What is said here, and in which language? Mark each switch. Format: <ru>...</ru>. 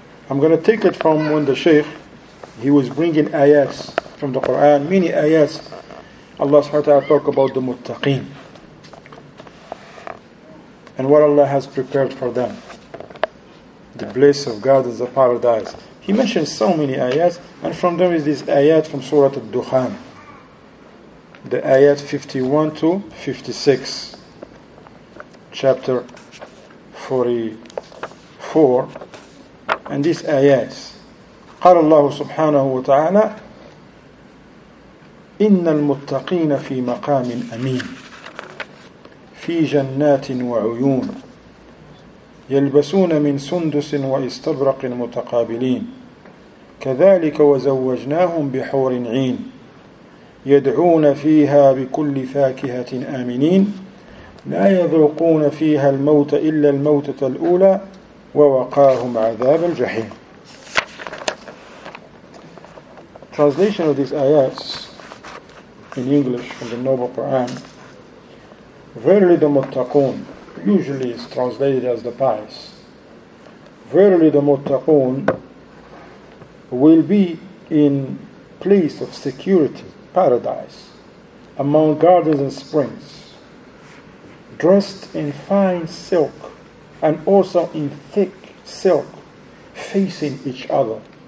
<en>I'm going to take it from when the Shaykh, he was bringing ayats from the Quran, many ayats Allah subhanahu wa ta'ala talk about the muttaqin and what Allah has prepared for them, the bliss of gardens of paradise. He mentions so many ayats, and from them is this ayat from Surah Al-Dukhan, the ayat 51 to 56, chapter 44. And this ayat,</en> <ar>قال الله سبحانه وتعالى إن المتقين في مقام أمين في جنات وعيون يلبسون من سندس وإستبرق متقابلين كذلك وزوجناهم بحور عين يدعون فيها بكل فاكهة آمنين لا يذوقون فيها الموت إلا الموتة الأولى ووقاهم عذاب الجحيم.</ar> <en>Translation of these ayats in English from the Noble Quran. Verily the muttaqun, usually it's translated as the pious. Verily the muttaqun will be in place of security, paradise, among gardens and springs, dressed in fine silk and also in thick silk, facing each other.</en>